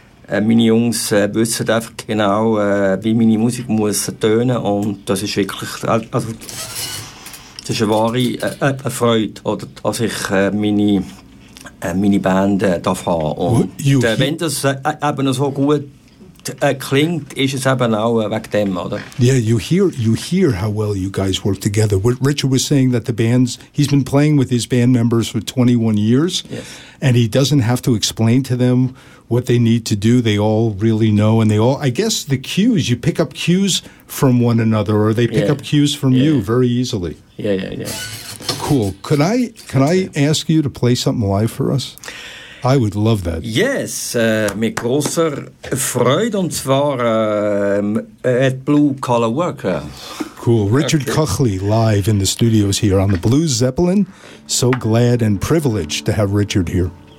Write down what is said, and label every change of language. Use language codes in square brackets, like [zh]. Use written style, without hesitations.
[de] Meine Jungs wissen einfach genau, wie meine Musik muss tönen. Und das ist wirklich, also, es ist eine wahre Freude, oder, dass ich meine Band darf haben. Und wenn das eben so gut klingt, ist es eben auch wegen dem, oder? [en] Yeah, you hear how well you guys work together. What Richard was saying, that the bands, he's been playing with his band members for 21 years, yes, and he doesn't have to explain to them what they need to do. They all really know, and they all, I guess the cues, you pick up cues from one another, or they pick up cues from you very easily. Yeah. Cool. Can I ask you to play something live for us? I would love that. [de] Yes, mit großer Freude, und zwar at Blue Collar Worker. [en] Cool. Richard Coakley live in the studios here on the Blue Zeppelin. So glad and privileged to have Richard here.